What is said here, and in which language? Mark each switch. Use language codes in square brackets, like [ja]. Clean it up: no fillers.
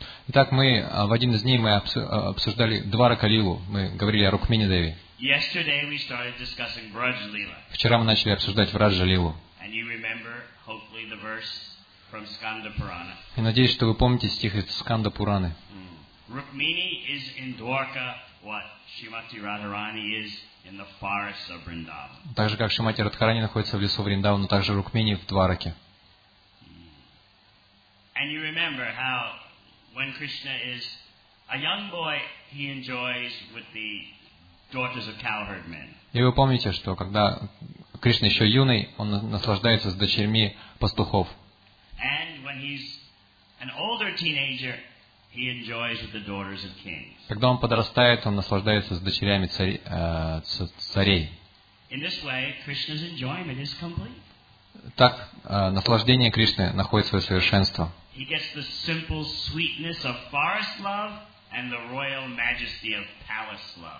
[ru] Итак, мы в один из дней мы обсуждали Дваракалилу, мы говорили о Рукмини Деви. [en] Yesterday we started discussing Braj Lila. [ru] Вчера мы начали обсуждать Враджа Лилу. [en] And you remember, hopefully, the verse from Skanda Purana. [ru] И надеюсь, что вы помните стих из Сканда Пураны. [en] Rukmini is in Dwarka what Shrimati Radharani is in the forests of Vrindavan. [ru] Так же, как Шримати Радхарани находится в лесу Вриндавана, но также Рукмини в Двараке. [en] And you remember how when Krishna is a young boy, he enjoys with the daughters of cowherd men. [ru] И вы помните, что когда Кришна еще юный, он наслаждается с дочерьми пастухов. [en] And when he's an older teenager, he enjoys with the daughters of kings. [ru] Когда он подрастает, он наслаждается с дочерями царей. [en] In this way, Krishna's enjoyment is complete. [ru] Так наслаждение Кришны находит свое совершенство. [en] He gets the simple sweetness of forest love and the royal majesty of palace love.